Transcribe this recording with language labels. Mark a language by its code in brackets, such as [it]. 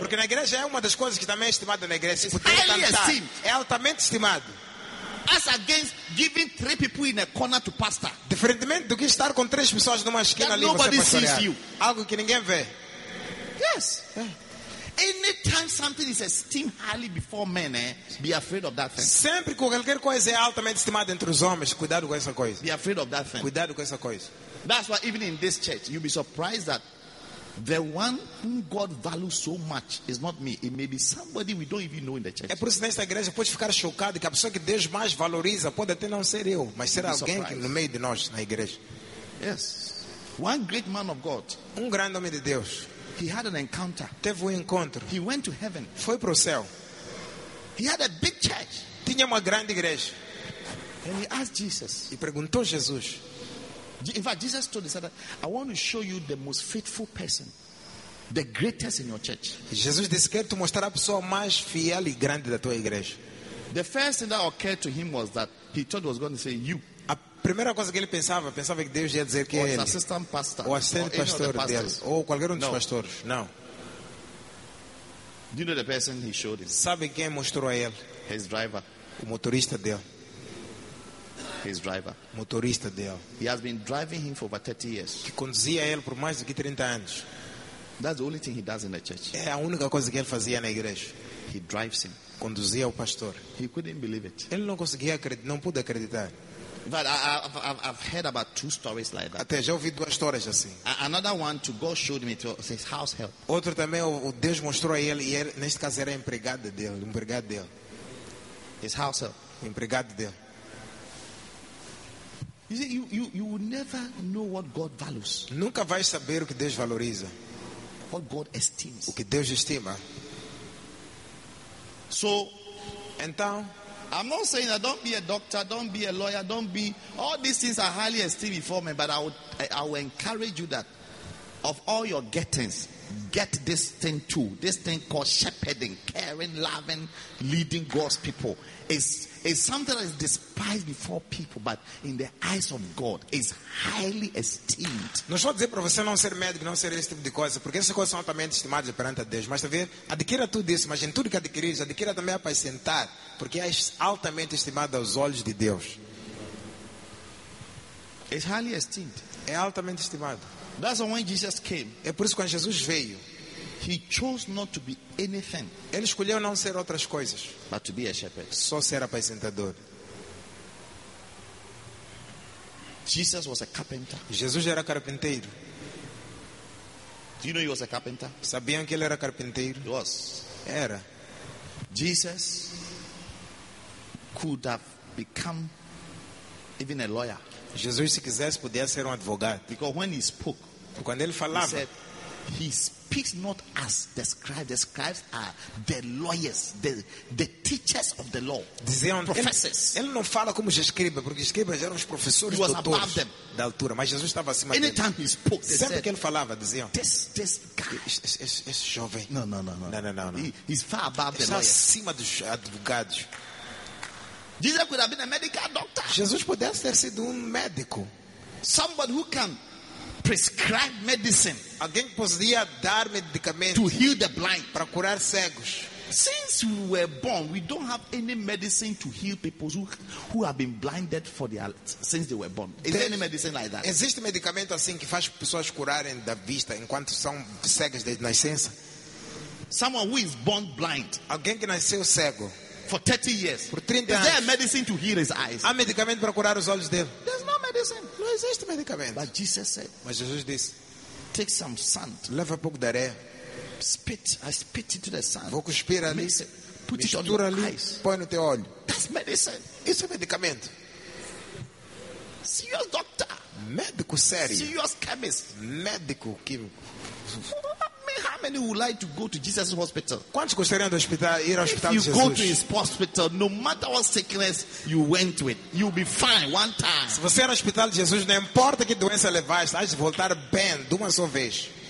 [pt] Porque na igreja é uma das coisas que também é estimada na igreja. Poder cantar. É altamente estimado. [en] As against giving three people in a corner to pastor. [pt] Diferentemente do que estar com três pessoas numa esquina [en] that [pt] ali [en] nobody [pt] você pastorear. [en] Sees you. [pt] Algo que ninguém vê. [en] Yes. Anytime something is esteemed highly before men, be afraid of that thing. [pt] Sempre que qualquer coisa é altamente estimada entre os homens, cuidado com essa coisa. [en] Be afraid of that thing. [pt] Cuidado com essa coisa. [en] That's why even in this church, you'll be surprised that the one whom God values so much is not me. It may be somebody we don't even know in the church. [pt] É por isso nesta igreja pode ficar chocado que a pessoa que Deus mais valoriza pode até não ser eu, mas será alguém que no meio de nós na igreja. [en] Yes. One great man of God. [pt] Grande homem de Deus. [en] He had an encounter. [pt] Teve encontro. [en] He went to heaven. [pt] Foi pro céu. [en] He had a big church. [pt] Tinha uma grande igreja. [en] And he asked Jesus. [pt] E perguntou Jesus. [en] In fact, Jesus told the disciples, "I want to show you the most faithful person, the greatest in your church." [pt] Jesus disse, quero te mostrar a pessoa mais fiel e grande da tua igreja. [en] The first thing that occurred to him was that he thought he was going to say you. [pt] A primeira coisa que ele pensava que Deus ia dizer que ele. [en] Assistant pastor. [pt] O assistente pastor dele. Ou qualquer dos pastores. Não. [en] Do you know the person he showed him? [pt] Sabe quem mostrou a ele? [en] His driver. [pt] O motorista dele. [en] His driver. [pt] Motorista dele. [en] He has been driving him for over 30 years. [pt] Que conduzia ele por mais de 30 anos. [en] That's the only thing he does in the church. [pt] É a única coisa que ele fazia na igreja. [en] He drives him. [pt] Conduzia o pastor. [en] He couldn't believe it. [pt] Ele não conseguia acreditar, não pôde acreditar. [en] But I've heard about two stories like that. [pt] Até já ouvi duas histórias assim. [en] Another one to God showed me to his house help. [pt] Outro também o Deus mostrou a ele e ele, neste caso era empregado dele, [en] His house help. [pt] Empregado dele. [en] You see, you will never know what God values. [pt] Nunca vai saber o que Deus valoriza. [en] What God esteems. [pt] O que Deus estima. [en] So, [pt] então, [en] I'm not saying that don't be a doctor, don't be a lawyer, don't be all these things are highly esteemed before me. But I will encourage you that of all your gettings, get this thing too. This thing called shepherding, caring, loving, leading God's people. It's something that is despised before people, but in the eyes of God, is highly esteemed. [pt] Não estou a dizer para você não ser médico, não ser esse tipo de coisa, porque essas coisas são altamente estimadas perante a Deus. Mas também, adquira tudo isso, mas em tudo que adquirires, adquira também a apacentar, porque é altamente estimada aos olhos de Deus. [en] It's highly esteemed. [pt] É altamente estimado. [en] That's when Jesus came. [pt] É por isso que quando Jesus veio, [en] he chose not to be anything. [pt] Ele escolheu não ser outras coisas, [en] but to be a shepherd. [pt] Só ser apacentador. [en] Jesus was a carpenter. [pt] Jesus era carpinteiro. [en] Do you know he was a carpenter? [pt] Sabiam que ele era carpinteiro? [en] He was. [pt] Era. [en] Jesus could have become even a lawyer. [pt] Jesus, se quisesse, podia ser advogado. [en] Because when he spoke, [pt] porque quando ele falava, [en] he said, he speaks not as the scribes. The scribes are the lawyers, the teachers of the law. [pt] Diziam, [en] professors. [pt] Ele não fala como os escribas, porque os escribas eram os professores, [en] he was [pt] doutores [en] above them. [pt] Da altura. Mas Jesus estava acima deles. [en] Anytime [pt] dele. [en] He spoke, [pt] sempre [en] said, [pt] que ele falava, diziam, [en] this guy, [pt] esse jovem. [en] Não. He's far above [pt] está [en] the lawyers. [pt] Está acima dos advogados. [en] Jesus could have been a medical doctor. [pt] Jesus pudesse ter sido médico. [en] Somebody who can prescribe medicine. [pt] Alguém poderia dar medicamento [en] to heal the blind. [pt] Para curar cegos. [en] Since we were born, we don't have any medicine to heal people who have been blinded for since they were born. Is there any medicine like that? [pt] Existe medicamento assim que faz pessoas curarem da vista enquanto são cegos desde nascença? [en] Someone who is born blind. [pt] Alguém que nasceu cego. [en] For 30 years. [pt] Por 30 anos. [en] Is there a medicine to heal his eyes? [pt] Há medicamento para curar os olhos dele? [en] There's no medicine. [pt] Não existe medicamento. [en] But Jesus said. [pt] Mas Jesus disse. [en] Take some sand. [pt] Leva um pouco de areia. [en] I spit into the sand. [pt] Vou cuspir ali. [en] Put it on your eyes. [pt] Põe no teu olho. [en] That's medicine. [pt] Isso é medicamento. [en] See your doctor. [pt] Médico sério. [en] Serious chemist. [pt] Médico químico. [en] How many would like to go to Jesus' hospital? [pt] Quantos gostariam de hospital, ir ao hospital [en] if you [pt] de Jesus? [en] Go to his hospital, no matter what sickness you went with, you'll be fine one time. [pt] Se você é no hospital de Jesus, não importa que doença levaste, vais voltar bem de uma só vez.